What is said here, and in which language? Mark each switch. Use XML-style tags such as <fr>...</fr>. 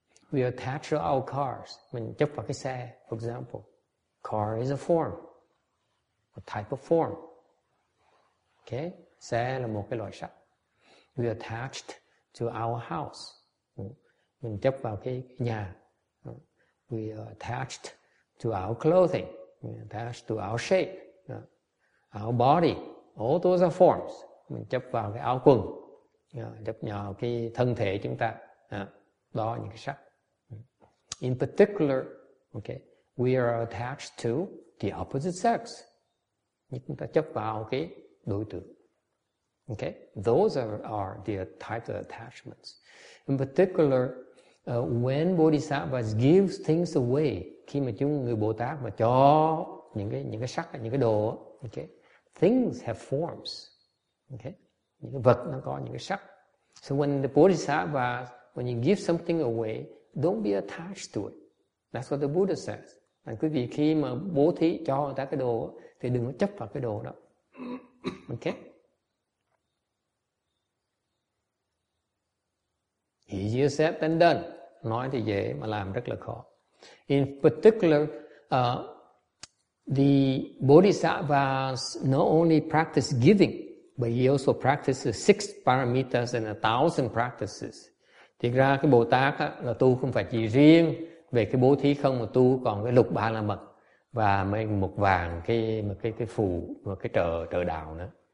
<en>We attach to our cars.</en> <vi>Mình chấp vào cái xe,</vi> <en>for example. Car is a form. A type of form. Okay?</en> <vi>Xe là một cái loại sắc.</vi> <en>We attached to our house.</en> <vi>Mình chấp vào cái nhà.</vi> <en>we are attached to our clothing, attached to our shape, our body, all those are forms.</en> <vi>Mình chấp vào cái áo quần, chấp vào cái thân thể chúng ta, đó những cái sắc.</vi> <en>In particular, okay, we are attached to the opposite sex.</en> <vi>Chúng ta chấp vào cái đối tượng.</vi> <en>Okay, those are the types of attachments. In particular, when bodhisattvas give things away,</en> <vi>khi mà chúng người Bồ Tát mà cho những cái sắc, những cái đồ,</vi> <en>okay, things have forms.</en> <vi>Okay, những vật nó có những cái sắc.</vi> <en>So when the bodhisattva, when you give something away, don't be attached to it. That's what the Buddha says.</en> <vi>Và quý vị khi mà bố thí cho người ta cái đồ thì đừng có chấp vào cái đồ đó.</vi> <en>Okay. Easier said than done.</en> <vi>Nói thì dễ mà làm rất là khó.</vi> <en>In particular, the bodhisattvas not only practice giving, but he also practices 6 paramitas and 1,000 practices.</en> <vi>Thì ra cái Bồ Tát á, là tu không phải chỉ riêng về cái bố thí không, mà tu còn cái lục ba la mật và mấy một vàng cái phù và cái trợ đạo nữa.</vi>